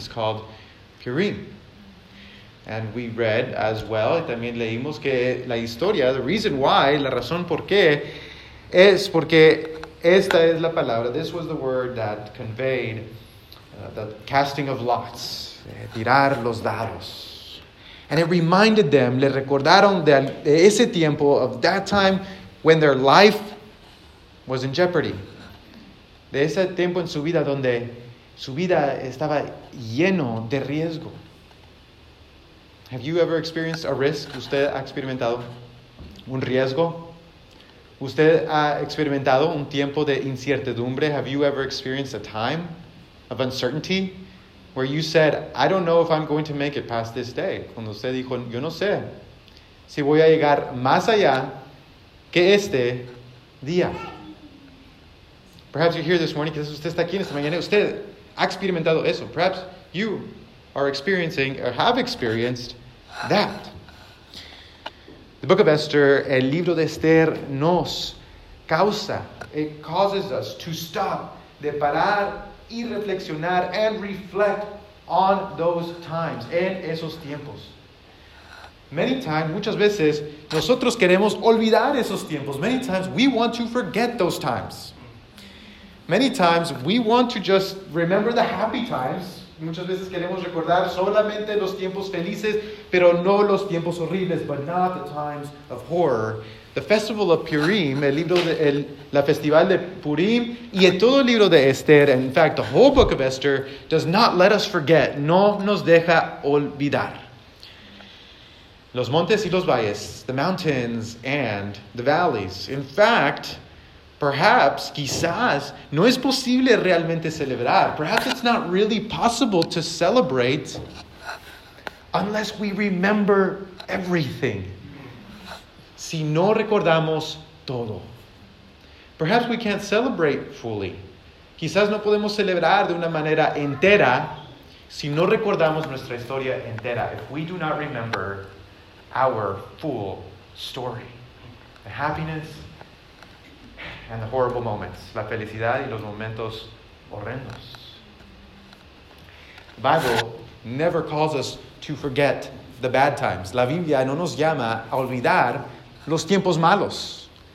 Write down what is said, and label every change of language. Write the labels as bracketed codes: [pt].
[en] It's called Purim. And we read as well, [es] y también leímos que la historia, [en] the reason why, [es] la razón por qué, es porque esta es la palabra, [en] this was the word that conveyed the casting of lots, [es] tirar los dados. [en] And it reminded them, [es] le recordaron de ese tiempo, [en] of that time when their life was in jeopardy. [es] De ese tiempo en su vida donde su vida estaba lleno de riesgo. [en] Have you ever experienced a risk? [es] ¿Usted ha experimentado un riesgo? ¿Usted ha experimentado un tiempo de incertidumbre? [en] Have you ever experienced a time of uncertainty where you said, I don't know if I'm going to make it past this day? [es] Cuando usted dijo, yo no sé si voy a llegar más allá que este día. [en] Perhaps you're here this morning because [es] usted está aquí en esta mañana. Usted ha experimentado eso. [en] Perhaps you are experiencing or have experienced that. The book of Esther, [es] el libro de Esther, nos causa. [en] It causes us to stop, [es] de parar y reflexionar [en] and reflect on those times, [es] en esos tiempos. [en] Many times, [es] muchas veces, nosotros queremos olvidar esos tiempos. [en] Many times, we want to forget those times. Many times we want to just remember the happy times. [es] Muchas veces queremos recordar solamente los tiempos felices, pero no los tiempos horribles, [en] but not the times of horror. The festival of Purim, [es] el libro de la festival de Purim, y el todo el libro de Esther, [en] and in fact, the whole book of Esther, does not let us forget, [es] no nos deja olvidar. Los montes y los valles, [en] the mountains and the valleys. In fact, Perhaps, [es] quizás, no es posible realmente celebrar. [en] Perhaps it's not really possible to celebrate unless we remember everything. [es] Si no recordamos todo. [en] Perhaps we can't celebrate fully. [es] Quizás no podemos celebrar de una manera entera si no recordamos nuestra historia entera. [en] If we do not remember our full story. The happiness and the horrible moments. [es] La felicidad y los momentos horrendos. [en] The Bible never calls us to forget the bad times. [es] La Biblia no nos llama a olvidar los tiempos malos.